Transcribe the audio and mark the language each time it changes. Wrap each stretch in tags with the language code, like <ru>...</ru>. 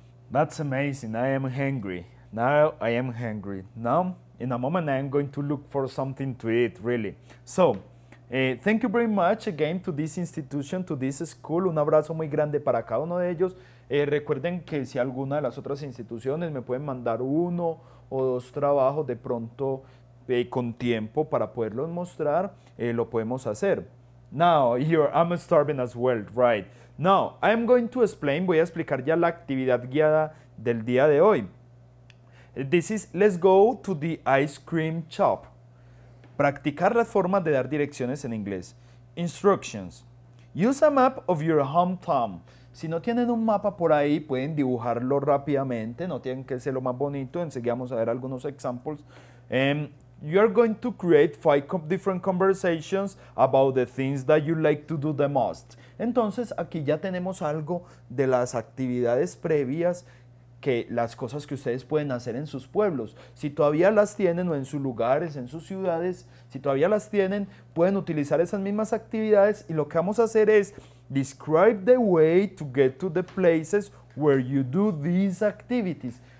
<en>That's amazing. I am hungry. Now I am hungry. Now, in a moment, I am going to look for something to eat, really. So, thank you very much again to this institution, to this school.</en> <es>Un abrazo muy grande para cada uno de ellos. Recuerden que si alguna de las otras instituciones me pueden mandar uno o dos trabajos de pronto... con tiempo para poderlo mostrar, lo podemos hacer.</es> <en>Now, here, I'm starving as well, right? Now, I'm going to explain,</en> <es>voy a explicar ya la actividad guiada del día de hoy.</es> <en>This is, let's go to the ice cream shop.</en> <es>Practicar las formas de dar direcciones en inglés. Instructions.</es> <en>Use a map of your hometown.</en> <es>Si no tienen un mapa por ahí, pueden dibujarlo rápidamente. No tienen que ser lo más bonito. Enseguida vamos a ver algunos examples.</es> <en>You are going to create 5 different conversations about the things that you like to do the most.</en> <es>Entonces, aquí ya tenemos algo de las actividades previas, que las cosas que ustedes pueden hacer en sus pueblos. Si todavía las tienen o en sus lugares, en sus ciudades, si todavía las tienen, pueden utilizar esas mismas actividades y lo que vamos a hacer es</es> <en>describe the way to get to the places where you do these activities.</en>